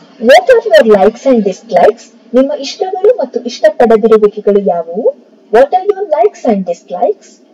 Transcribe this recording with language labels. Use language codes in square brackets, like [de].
[en] What are your likes and dislikes? [kn] ನಿಮ್ಮ ಇಷ್ಟಗಳು ಮತ್ತು ಇಷ್ಟಪಡದಿರುವಿಕೆಗಳು ಯಾವುವು? [en] What are your likes and dislikes?